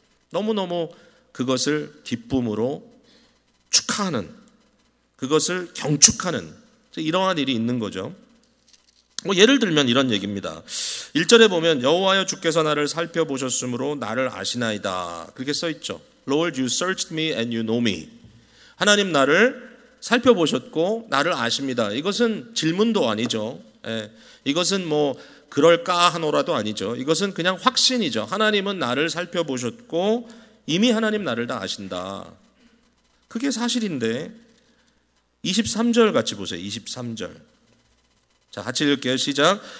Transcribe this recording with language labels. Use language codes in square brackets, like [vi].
[ko] 너무너무 그것을 기쁨으로 축하하는, 그것을 경축하는 이러한 일이 있는 거죠. 뭐 예를 들면 이런 얘기입니다. 1절에 보면 여호와여 주께서 나를 살펴보셨으므로 나를 아시나이다. 그렇게 써 있죠. [en] Lord, you searched me and you know me. [ko] 하나님 나를 살펴보셨고 나를 아십니다. 이것은 질문도 아니죠. 예, 이것은 뭐 그럴까 하노라도 아니죠. 이것은 그냥 확신이죠. 하나님은 나를 살펴보셨고 이미 하나님 나를 다 아신다. 그게 사실인데 23절 같이 보세요. 23절. 자, 같이 읽게요. 시작.